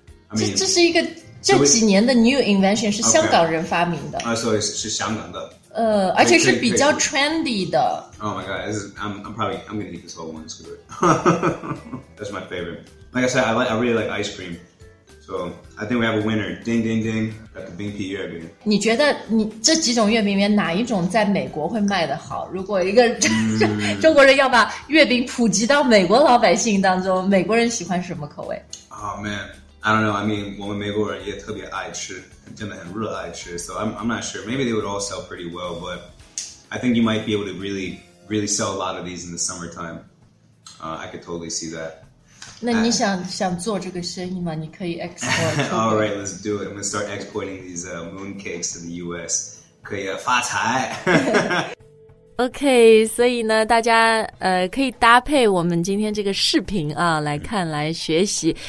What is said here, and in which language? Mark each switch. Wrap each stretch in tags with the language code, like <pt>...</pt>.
<en>I mean,</en> <zh>这是一个这几年的</zh> <en>new invention</en> <zh>是香港人发明的。啊，所以是香港的。而且是比较 trendy 的。</zh> <en>Oh my god, I'm gonna eat this whole one. It's good. That's my favorite. Like I said, I really like ice cream. So, I think we have a winner. Ding, ding, ding. Got the 冰皮月饼。</en> <zh>你觉得你这几种月饼里面哪一种在美国会卖得好？如果一个中国人要把月饼普及到美国老百姓当中，美国人喜欢什么口味？</zh> <en>Oh, man. I don't know. I mean,</en> <zh>我们美国人也特别爱吃，真的很热爱吃。</zh> <en>So, I'm not sure. Maybe they would all sell pretty well, but I think you might be able to really, really sell a lot of these in the summertime. I could totally see that.</en> <zh>那你想做这个生意吗？你可以 export.</zh> <en>All right, let's do it. I'm gonna start exporting these moon cakes to the U.S.</en> <zh>可以发财。 OK, 所以呢，大家可以搭配我们今天这个视频啊来看来学习。</zh>